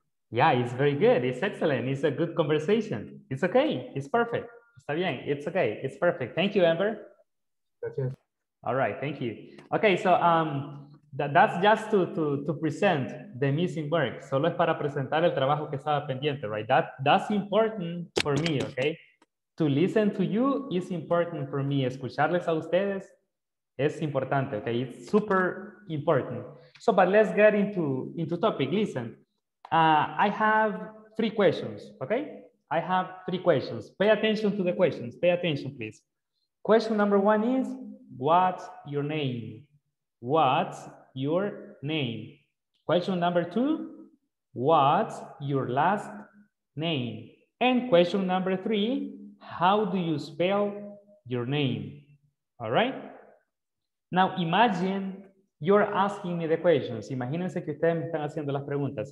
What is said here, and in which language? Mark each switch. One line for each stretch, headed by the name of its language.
English: Yeah, it's very good. It's excellent. It's a good conversation. It's okay. It's perfect.
Spanish: Está bien.
English: It's okay. It's perfect. Thank you, Amber.
Spanish: Gracias.
English: All right. Thank you. Okay. So that's just to present the missing work.
Spanish: Solo es para presentar el trabajo que estaba pendiente,
English: right? That's important for me, okay? To listen to you is important for me.
Spanish: Escucharles a ustedes es importante,
English: okay? It's super important. So, but let's get into topic. Listen. I have three questions, okay? I have three questions. Pay attention to the questions. Pay attention, please. Question number one is, what's your name? What's your name? Question number two, what's your last name? And question number three, how do you spell your name? All right? Now, imagine you're asking me the questions.
Spanish: Imagínense que ustedes me están haciendo las preguntas.